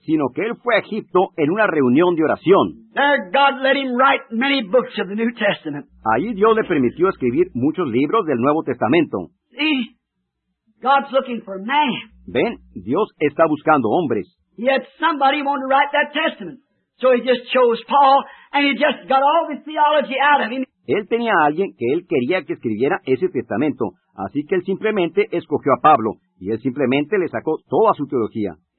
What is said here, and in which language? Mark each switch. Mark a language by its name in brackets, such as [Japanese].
[Spanish] Sino que él fue a Egipto en una reunión de oración. [English] There God let him write many books of the New Testament. [Spanish] Allí Dios le permitió escribir muchos libros del Nuevo Testamento. [English] See, God's looking for man. [Spanish] Ven, Dios está buscando hombres. [English] He had somebody want to write that testament. So he just chose Paul, and he just got all the theology out of him. [Spanish] Él tenía a alguien que él quería que escribiera ese testamento, así que él simplemente escogió a Pablo, y él simplemente le sacó toda su teología.